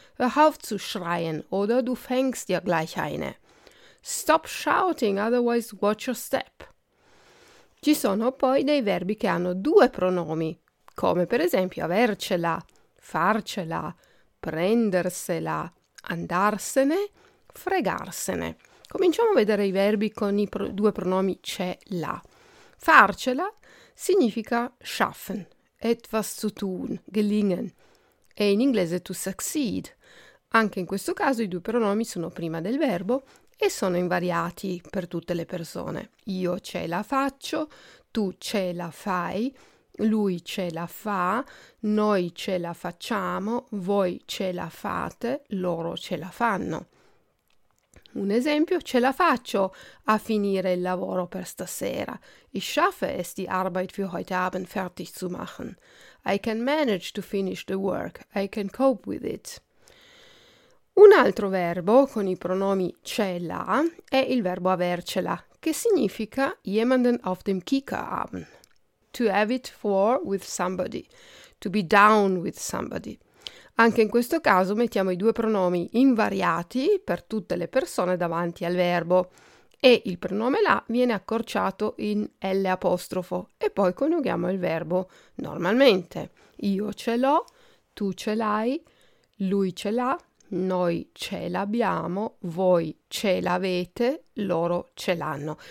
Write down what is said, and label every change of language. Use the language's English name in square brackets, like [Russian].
[German] Hör auf zu schreien oder du fängst dir gleich eine. [English] Stop shouting, otherwise watch your step. [Italian] Ci sono poi dei verbi che hanno due pronomi, come per esempio avercela, farcela, prendersela, andarsene, fregarsene. Cominciamo a vedere i verbi con i due pronomi c'è, la. Farcela significa [German] schaffen, etwas zu tun, gelingen, [Italian] e in inglese [English] to succeed. [Italian] Anche in questo caso i due pronomi sono prima del verbo e sono invariati per tutte le persone. Io ce la faccio, tu ce la fai, lui ce la fa, noi ce la facciamo, voi ce la fate, loro ce la fanno. Un esempio, ce la faccio a finire il lavoro per stasera. [German] Ich schaffe es, die Arbeit für heute Abend fertig zu machen. [English] I can manage to finish the work. I can cope with it. [Italian] Un altro verbo con i pronomi ce la è il verbo avercela, che significa [German] jemanden auf dem Kieker haben. [English] To have it for with somebody, to be down with somebody. [Italian] Anche in questo caso mettiamo i due pronomi invariati per tutte le persone davanti al verbo e il pronome la viene accorciato in L apostrofo e poi coniughiamo il verbo normalmente. Io ce l'ho, tu ce l'hai, lui ce l'ha, noi ce l'abbiamo, voi ce l'avete, loro ce l'hanno.